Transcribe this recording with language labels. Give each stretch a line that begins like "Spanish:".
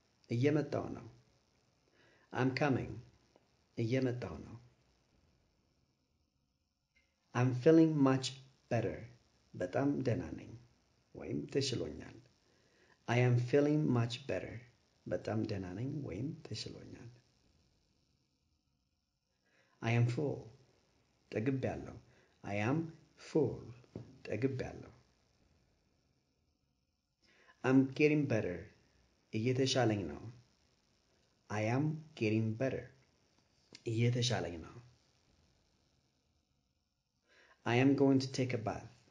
Amharic: እየመጣሁ ነው።
English: I'm coming. እየመጣሁ ነው። I'm feeling much better.
Amharic: በጣም ደህና ነኝ ወይም ተሽሎኛል።
English: I am feeling much better.
Amharic: በጣም ደህና ነኝ ወይም ተሽሎኛል።
English: I am full.
Amharic: ጠግቤያለሁ።
English: I am full. ጠግቤያለሁ። I'm getting better.
Amharic: እየተሻለኝ ነው።
English: I am getting better.
Amharic: እየተሻለኝ ነው።
English: I am going to take a bath.